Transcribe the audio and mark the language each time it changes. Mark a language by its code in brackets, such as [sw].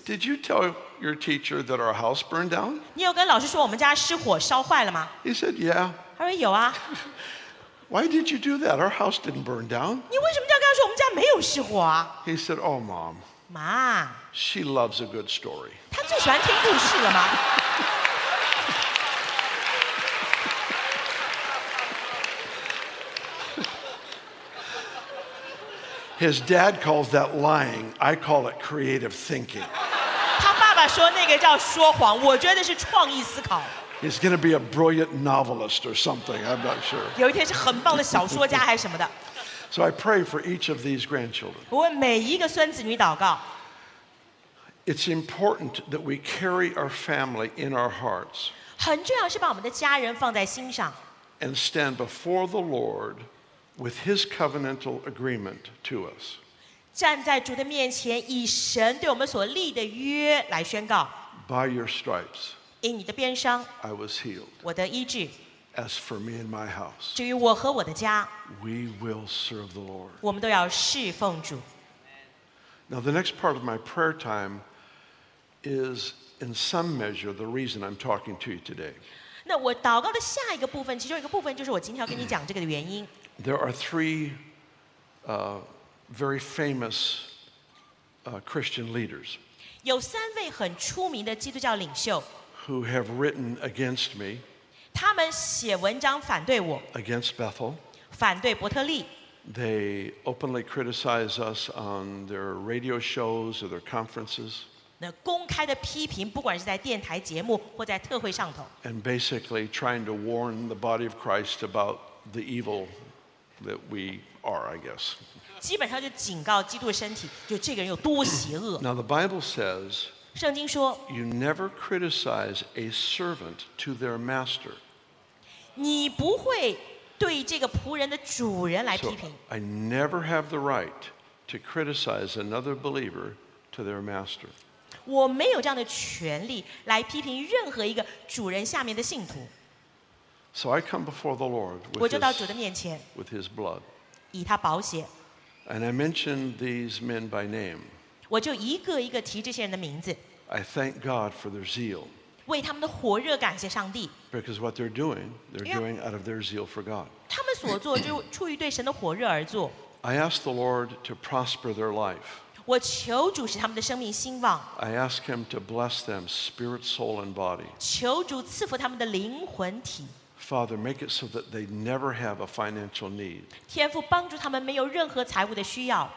[en] did you tell your teacher that our house burned down? [zh] 你有跟老师说我们家失火烧坏了吗? [en] He said, yeah. [zh] 他说有啊。 [en] Why did you do that? Our house didn't burn down. [zh] 你为什么要跟他说我们家没有失火啊? [en] He said, oh, mom. [zh] 妈。 [en] She loves a good story. [zh] 她最喜欢听故事了吗? [en] His dad calls that lying. I call it creative thinking. [zh] 他爸爸说那个叫说谎，我觉得是创意思考。 [en] He's going to be a brilliant novelist or something. I'm not sure. [zh] 有一天是很棒的小说家还是什么的。 [en] So I pray for each of these grandchildren. [zh] 我为每一个孙子女祷告。 [en] It's important that we carry our family in our hearts. [zh] 很重要是把我们的家人放在心上。 [en] And stand before the Lord. With His covenantal agreement to us, [zh] 站在主的面前，以神对我们所立的约来宣告。 [en] By your stripes, [zh] 因你的鞭伤 [en] ，I was healed. [zh] 我得医治。 [en] As for me and my house, [zh] 至于我和我的家 [en] ，We will serve the Lord. [zh] 我们都要侍奉主。 [en] Now the next part of my prayer time is, in some measure, the reason I'm talking to you today. [zh] 那我祷告的下一个部分，其中一个部分就是我今天要跟你讲这个的原因。 [en] There are three very famous Christian leaders. [zh] 有三位很出名的基督教领袖 [en] who have written against me. [zh] 他们写文章反对我 [en] against Bethel. [zh] 反对伯特利 [en] They openly criticize us on their radio shows or their conferences. [zh] 那公开的批评，不管是在电台节目或在特会上头 [en] and basically trying to warn the body of Christ about the evil. That we are, I guess. [zh] 基本上就警告基督的身体，就这个人有多邪恶。 [en] Now the Bible says, [zh] 圣经说 [en] ，You never criticize a servant to their master. [zh] 你不会对这个仆人的主人来批评。 [en] I never have the right to criticize another believer to their master. [zh] 我没有这样的权利来批评任何一个主人下面的信徒。 [en] So I come before the Lord with his, [zh] 我就到主的面前 [en] with his blood. [zh] 以他宝血。 [en] And I mention these men by name. [zh] 我就一个一个提这些人的名字。 [en] I thank God for their zeal. [zh] 为他们的火热感谢上帝 [en] because what they're doing they're doing out of their zeal for God [zh] 他们所做就出于对神的火热而做 [en] I ask the Lord to prosper their life [zh] 我求主使他们的生命兴旺 [en] I ask him to bless them spirit, soul and body [zh] 求主赐福他们的灵魂体 [en] Father make it so that they never have a financial need [zh] 天父帮助他们没有任何财务的需要